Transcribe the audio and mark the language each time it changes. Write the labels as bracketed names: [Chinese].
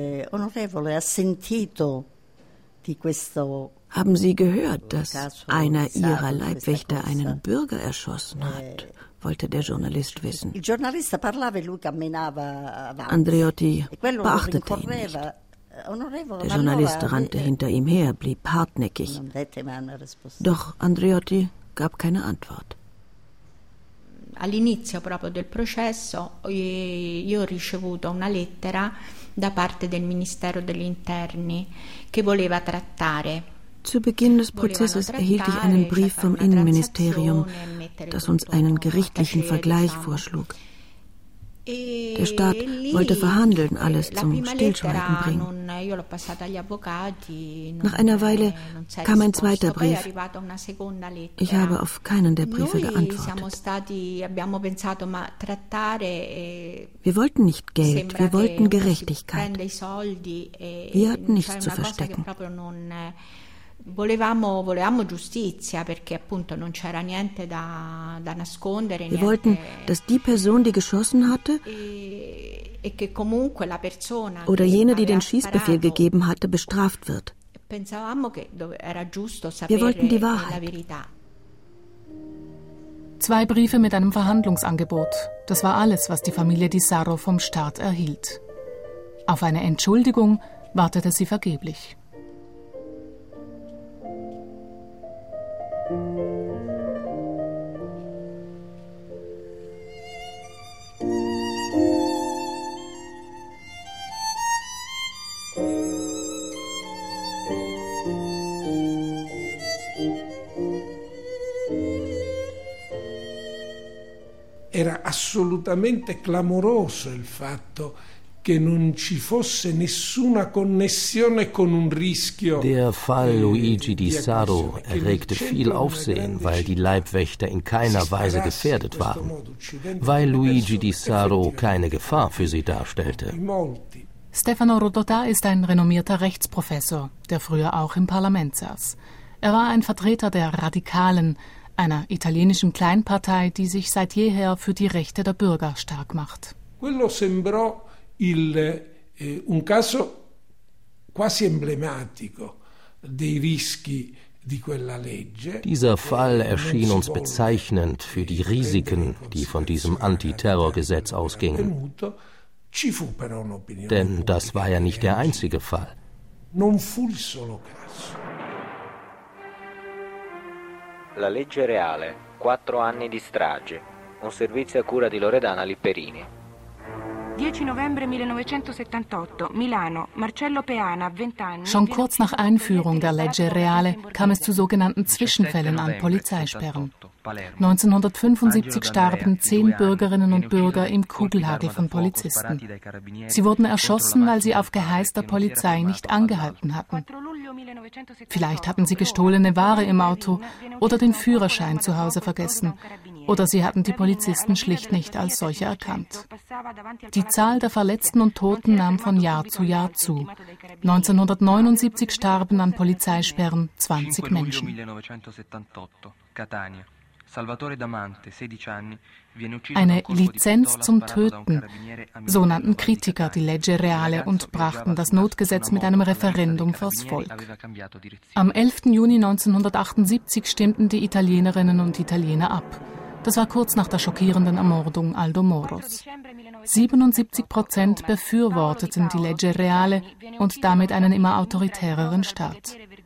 [Italian] Onorevole, ha sentito di questo. [German] Haben Sie gehört, dass einer Ihrer Leibwächter einen Bürger erschossen hat? Wollte der Journalist wissen. [Italian] Il giornalista parlava e lui camminava avanti. [German] Andreotti beachtete ihn nicht. Der Journalist rannte hinter ihm her, blieb hartnäckig. Doch Andreotti gab keine Antwort. [Italian] All'inizio proprio del processo, io ho ricevuto una lettera da parte del Ministero degli Interni che voleva trattare. [German] Zu Beginn des Prozesses erhielt ich einen Brief vom Innenministerium, das uns einen gerichtlichen Vergleich vorschlug. Der Staat wollte verhandeln, alles zum Stillschweigen bringen. Nach einer Weile kam ein zweiter Brief. Ich habe auf keinen der Briefe geantwortet. Wir wollten nicht Geld, wir wollten Gerechtigkeit. Wir hatten nichts zu verstecken. [Italian] Volevamo giustizia, perché appunto non c'era niente da nascondere. [German] Wir wollten, dass die Person, die geschossen hatte, [Italian] e che comunque la persona [German] oder jene, die den Schießbefehl gegeben hatte, bestraft wird. [Italian] Pensavamo che era giusto sapere. [German] Wir wollten die Wahrheit. [Italian] La verità. [German] Zwei Briefe mit einem Verhandlungsangebot. Das war alles, was die Familie Di Saro vom Staat erhielt. Auf eine Entschuldigung wartete sie vergeblich. Thank you. [Italian] era assolutamente clamoroso il fatto che non ci fosse nessuna connessione con un rischio. [German] Der Fall Luigi Di Sarro erregte viel Aufsehen, weil die Leibwächter in keiner Weise gefährdet waren, weil Luigi Di Sarro keine Gefahr für sie darstellte. Stefano Rodotà ist ein renommierter Rechtsprofessor, der früher auch im Parlament saß. Er war ein Vertreter der Radikalen, einer italienischen Kleinpartei, die sich seit jeher für die Rechte der Bürger stark macht. [Italian] Quello sembrò il un caso quasi emblematico dei rischi di quella legge. [German] Dieser Fall erschien uns bezeichnend für die Risiken, die von diesem Antiterrorgesetz ausgingen. [Italian] Ci fu però un'opinione. [German] Denn das war ja nicht der einzige Fall. [Italian] Non fu il solo caso. La legge reale, 4 anni di strage. Un servizio a cura di Loredana Lipperini. 10 novembre 1978, Milano, Marcello Peana, 20 anni. [German] Schon kurz nach Einführung der Legge Reale kam es zu sogenannten Zwischenfällen an Polizeisperren. 1975 starben 10 Bürgerinnen und Bürger im Kugelhagel von Polizisten. Sie wurden erschossen, weil sie auf Geheiß der Polizei nicht angehalten hatten. Vielleicht hatten sie gestohlene Ware im Auto oder den Führerschein zu Hause vergessen. Oder sie hatten die Polizisten schlicht nicht als solche erkannt. Die Zahl der Verletzten und Toten nahm von Jahr zu Jahr zu. 1979 starben an Polizeisperren 20 Menschen. [Italian] Salvatore Damante, 16 anni, viene ucciso. [German] Eine Lizenz zum Töten, so nannten Kritiker die Legge Reale und brachten das Notgesetz mit einem Referendum vors Volk. Am 11. Juni 1978 stimmten die Italienerinnen und Italiener ab. Das war kurz nach der schockierenden Ermordung Aldo Moros. 77% befürworteten die Legge Reale und damit einen immer autoritäreren Staat.